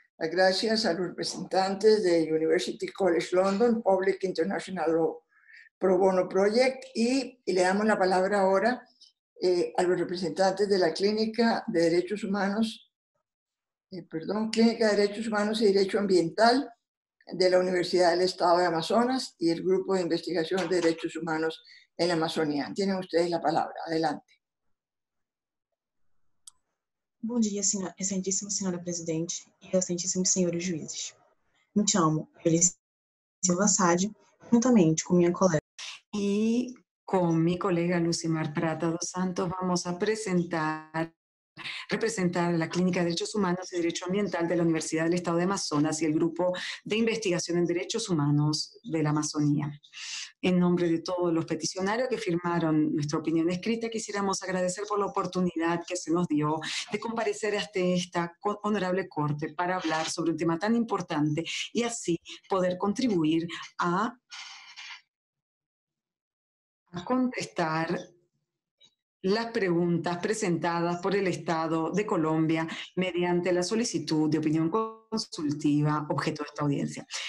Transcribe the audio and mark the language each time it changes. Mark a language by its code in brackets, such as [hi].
[es] Las gracias a los representantes de University College London, Public International Law Pro Bono Project, y le damos la palabra ahora a los representantes de la Clínica de Derechos Humanos, Clínica de Derechos Humanos y Derecho Ambiental de la Universidad del Estado de Amazonas y el Grupo de Investigación de Derechos Humanos en la Amazonía. Tienen ustedes la palabra. Adelante. [pt] Bom dia, excelentíssimo senhora presidente e excelentíssimos senhores juízes. Me chamo Elisa Silva Sade, juntamente com minha colega. E com minha colega Lucimar Prata dos Santos, vamos apresentar, representar a Clínica de Direitos Humanos e Direito Ambiental da Universidade do Estado de Amazonas e o Grupo de Investigação em Direitos Humanos da Amazônia. [es] En nombre de todos los peticionarios que firmaron nuestra opinión escrita, quisiéramos agradecer por la oportunidad que se nos dio de comparecer ante esta honorable corte para hablar sobre un tema tan importante y así poder contribuir a contestar las preguntas presentadas por el Estado de Colombia mediante la solicitud de opinión consultiva objeto de esta audiencia.